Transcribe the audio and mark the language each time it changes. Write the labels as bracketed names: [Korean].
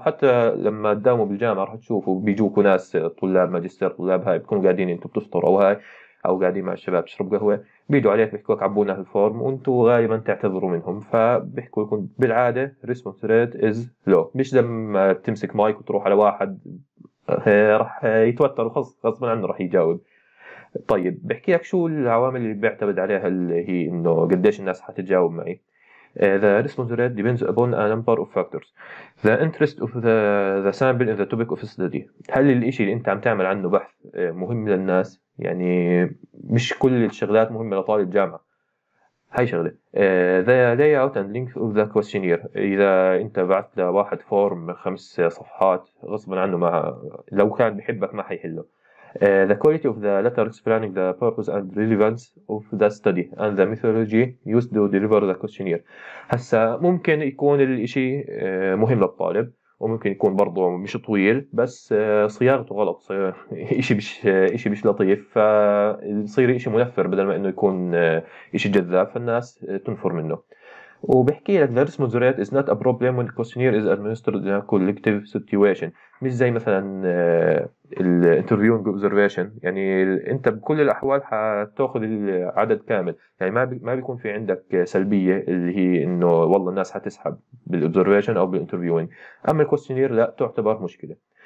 [Arabic] حتى لما تداوموا بالجامعة رح تشوفوا بيجوكوا ناس طلاب ماجستير، طلاب هاي بكونوا قاعدين انتوا بتفطروا هاي او قاعدين مع الشباب تشرب قهوة، بيجوا عليك بيحكوا لك عبونا هالفورم، وانتو غالبا تعتذروا منهم. فبيحكوا لكم بالعادة [English] response rate is low، [Arabic] مش لما تمسك مايك وتروح على واحد رح يتوتر وخص غصبا عنه رح يجاوب. طيب بحكي لك شو العوامل اللي بيعتمد عليها، اللي هي انه قديش الناس حتتجاوب معي. [English] The response rate depends upon a number of factors. The interest of the sample in the topic of study. [Arabic] هل الاشي اللي انت عم تعمل عنه بحث مهم للناس؟ يعني مش كل الشغلات مهمة لطالب جامعة، هاي شغلة. [English] The layout and length of the questionnaire. [Arabic] إذا أنت بعت لواحد فورم خمس صفحات غصبا عنه ما لو كان بحبك ما حيحله. [English] The quality of the letter explaining the purpose and relevance of the study and the methodology used to deliver the questionnaire. [Arabic] هسا ممكن يكون الإشي مهم للطالب، وممكن يكون برضه مش طويل بس صياغته غلط، إشي مش لطيف، فصير إشي منفر بدل ما إنه يكون إشي جذاب، فالناس تنفر منه. وبحكي لك [English] nurse moderate is not a problem when customer is administered in collective situation, [Arabic] مش زي مثلا الانترفيوينج اوبزرفيشن، يعني انت بكل الاحوال حتاخذ العدد كامل، يعني ما بيكون في عندك سلبيه اللي هي انه والله الناس حتسحب بالاوبزرفيشن او بالانترفيوينج، اما الكوستنير لا تعتبر مشكله.